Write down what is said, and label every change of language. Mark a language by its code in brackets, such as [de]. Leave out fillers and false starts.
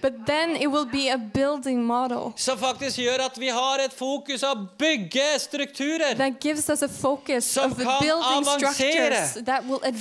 [en] But then it will be a building model. [no] Som faktisk gjør at vi har et fokus av bygge strukturer. [en] That gives us a focus of building structures that will advance.